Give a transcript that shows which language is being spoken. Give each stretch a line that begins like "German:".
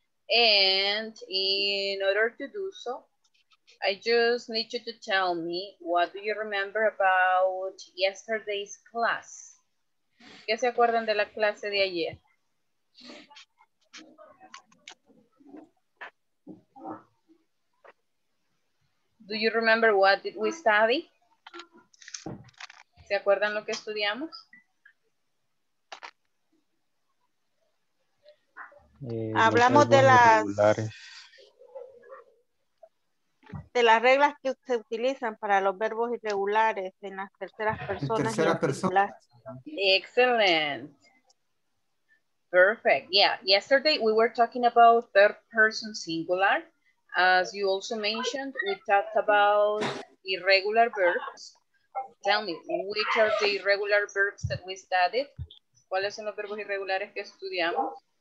English: And in order to do so, I just need you to tell me, what do you remember about yesterday's class?
Spanish: ¿Qué se acuerdan de la clase de ayer?
English: Do you remember what did we study?
Spanish: ¿Se acuerdan lo que estudiamos? Hablamos de las reglas que se utilizan para los verbos irregulares en las terceras personas.
English: Excellent. Perfect. Yeah, yesterday we were talking about third person singular. As you also mentioned, we talked about irregular verbs. Tell me, which are the irregular verbs that we studied?
Spanish: ¿Cuáles son los verbos irregulares que estudiamos?